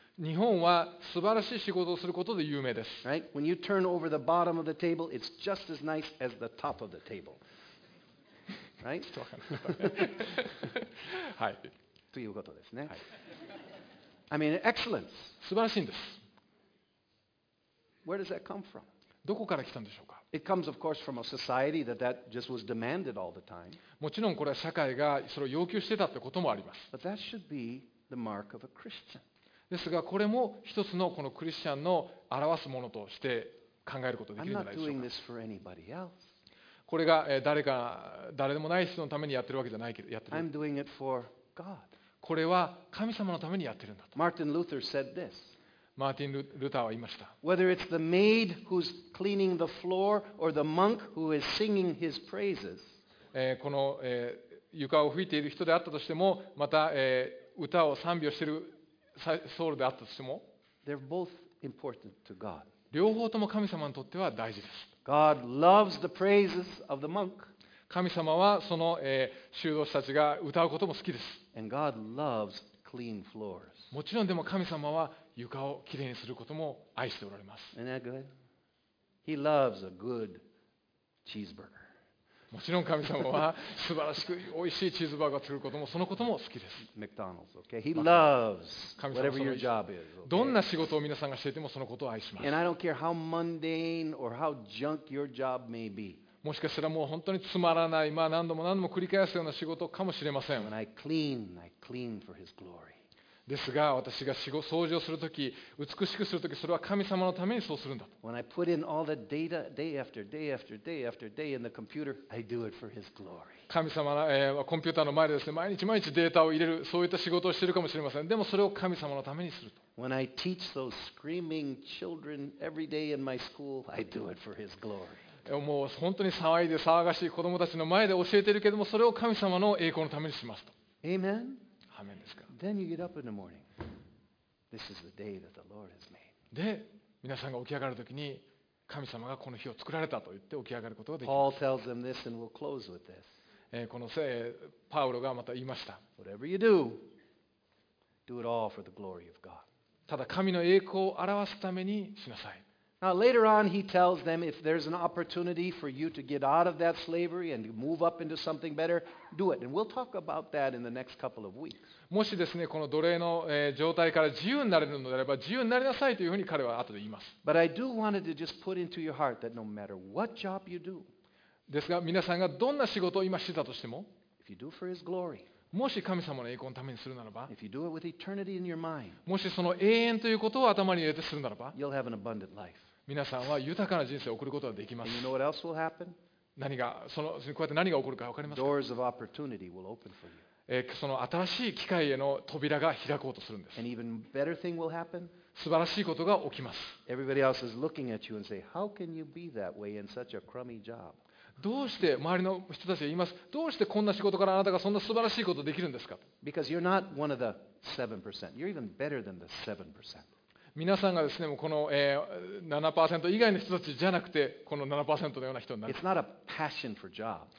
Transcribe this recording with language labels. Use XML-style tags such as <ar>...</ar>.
<ja>日本は素晴らしい仕事をすることで有名です。</ja> <en>Right? When you turn over the bottom of the table, it's just as nice as the top of the table. Right?</en> <ja>ちょっと分かんない。はい。ということですね。はい。</ja> <en>I mean, excellence.</en> <ja>素晴らしいんです。</ja> <en>Where does that come from?</en> <ja>どこから来たんでしょうか?</ja> <en>It comes, of course, from a society that just was demanded all the time.</en> <ja>もちろんこれは社会がそれを要求してたってこともあります。</ja> <en>But that should be the mark of a Christian.</en> <ja>ですがこれも一つのこのクリスチャンの表すものとして考えることができるんじゃないでしょうか。これが誰でもない人のためにやってるわけじゃないけど、やってる。</ja> <en>I'm doing it for God.</en> <ja>これは神様のためにやってるんだと。</ja> <en>Martin Luther said this.</en> <ja>マーティン・ルターは言いました。</ja> <en>Whether it's the maid who's cleaning the floor or the monk who is singing his praises.</en> <ja>この床を拭いている人であったとしても、また歌を賛美をしているソウルであったとしても、</ja> <en>They're both important to God.</en> <ja>両方とも神様にとっては大事です。</ja> <en>God loves the praises of the monk.</en> <ja>神様はその修道士たちが歌うことも好きです。</ja> <en>And God loves clean floors.</en> <ja>もちろんでも神様は床をきれいにすることも愛しておられます。</ja> <en>Isn't that good? He loves a good cheeseburger.</en> <ja>もちろん神様は素晴らしく美味しいチーズバーガーを作ることもそのことも好きです。</ja> <en>McDonald's, okay? He loves whatever your job is.</en> <ja>どんな仕事を皆さんがしていてもそのことを愛します。</ja> <en>And I don't care how mundane or how junk your job may be.</en> <ja>もしかしたらもう本当につまらない、まあ何度も何度も繰り返すような仕事かもしれません。</ja> <en>When I clean, I clean for His glory.</en> <ja>ですが私が掃除をするとき、美しくするとき、それは神様のためにそうするんだと。</ja> <en>When I put in all the data day after day after day after day in the computer, I do it for His glory.</en> <ja>神様の、コンピューターの前でですね、毎日毎日データを入れる、そういった仕事をしているかもしれません。でもそれを神様のためにすると。</ja> <en>When I teach those screaming children every day in my school, I do it for His glory.</en> <ja>もう本当に騒いで騒がしい子供たちの前で教えているけれども、それを神様の栄光のためにしますと。</ja> <en>Amen?</en> <ja>アメンですか。</ja> <en>Then you get up in the morning. This is the day that the Lord has made.</en> <ja>で、皆さんが起き上がるときに、神様がこの日を作られたと言って起き上がることができます。</ja> <en>Paul tells them this, and we'll close with this.</en> <ja>このせい、パウロがまた言いました。</ja> <en>Whatever you do, do it all for the glory of God.</en> <ja>ただ神の栄光を表すためにしなさい。</ja> <en>Now later on, he tells them if there's an opportunity for you to get out of that slavery and move up into something better, do it. And we'll talk about that in the next couple of weeks.</en> <ja>もしですね、この奴隷の状態から自由になれるのであれば、自由になりなさいというふうに彼は後で言います。</ja> <en>But I do wanted to just put into your heart that no matter what job you do,</en> <ja>ですが皆さんがどんな仕事を今してたとしても、</ja> <en>if you do for His glory.</en> <ja>もし神様の栄光のためにするならば、</ja> <en>If you do it with eternity in your mind,</en> <ja>もしその永遠ということを頭に入れてするならば、</ja> <en>You'll have an abundant life.</en> <ja>皆さんは豊かな人生を送ることができます。</ja> <en>And you know what else will happen?</en> <ja>何がそのこうやって何が起こるか分かりますか?</ja> <en>Doors of opportunity will open for you.</en> <ja>その新しい機会への扉が開こうとするんです。</ja> <en>And even better thing will happen.</en> <ja>素晴らしいことが起きます。</ja> <en>Everybody else is looking at you and say, How can you be that way in such a crummy job?</en> <ja>どうして周りの人たちが言います。どうしてこんな仕事からあなたがそんな素晴らしいことができるんですか。</ja> <en>Because you're not one of the 7%. You're even better than the 7%.</en> <ja>皆さんがですね、この 7% 以外の人たちじゃなくて、この 7% のような人になる。</ja> <en>It's not a passion for job.</en>